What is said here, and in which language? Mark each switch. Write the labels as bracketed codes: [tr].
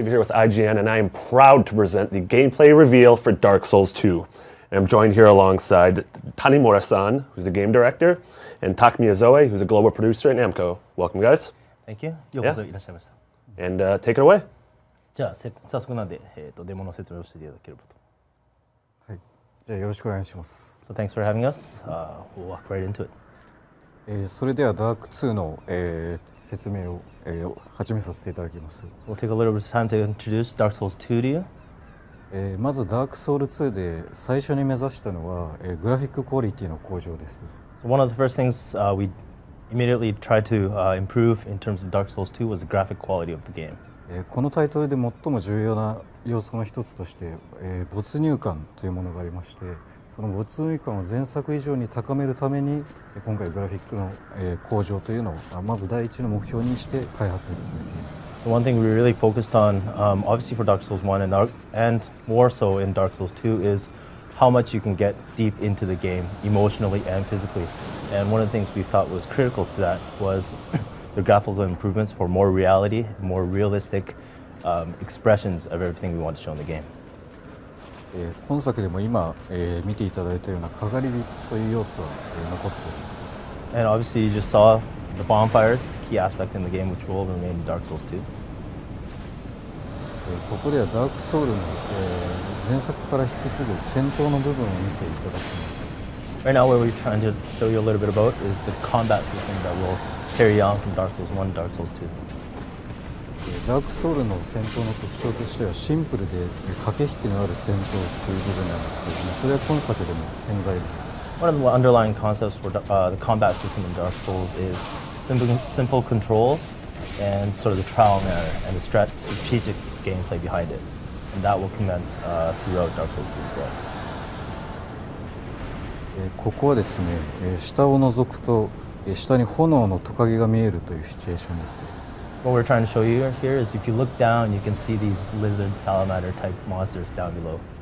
[en] IGN, and I am proud to present the gameplay reveal for Dark Souls 2. And I'm joined here alongside Tanimura-san, who's the game director, and Miyazoe, who's a global producer at Namco. Welcome, guys. Thank you. [ja] ようこそいらっしゃいました. [en] And take it away. [ja] じゃあ早速なんでデモの説明をしていただけると。はい。じゃあよろしくお願いします. [en] So thanks for having us. We'll walk right into it. [ja] それではダーク2の説明を始めさせていただきます。 [en] We'll take a little bit of time to introduce Dark Souls 2 to you. [ja] まずダークソウル2で最初に目指したのは、グラフィッククオリティの向上です。 [en] So one of the first things we immediately tried to improve in terms of Dark Souls 2 was the graphic quality of the game. [ja] このタイトルで最も重要な要素の一つとして、没入感というものがありまして、その没入感を前作以上に高めるために、今回グラフィックの向上というのをまず第一の目標にして開発を進めています。 [en] So one thing we really focused on, obviously for Dark Souls 1 and more so in Dark Souls 2 is how much you can get deep into the game emotionally and physically. And one of the things we thought was critical to that was the graphical improvements for more reality, more realistic expressions of everything we want to show in the game. [ja] 今作でも今、見ていただいたようなかがり火という要素は、残っております。 [en] And obviously you just saw the bonfires, key aspect in the game which will remain in Dark Souls 2. [ja] ここではダークソウルの、前作から引き継ぐ戦闘の部分を見ていただきます。 [en] Right now what we're trying to show you a little bit about is the combat system that will carry on from Dark Souls 1 and Dark Souls 2. [ja] ダークソウルの戦闘の特徴としてはシンプルで駆け引きのある戦闘という部分なんですけれども、それは今作でも健在です。 [en] One of the underlying concepts for the combat system in Dark Souls is simple controls and sort of the trial and error and the strategic gameplay behind it. And that will commence throughout Dark Souls 2 as well. [ja] ここはですね、下を覗くと下に炎のトカゲが見えるというシチュエーションです。 [en] What we're trying to show you here is if you look down, you can see these lizard salamander type monsters down below.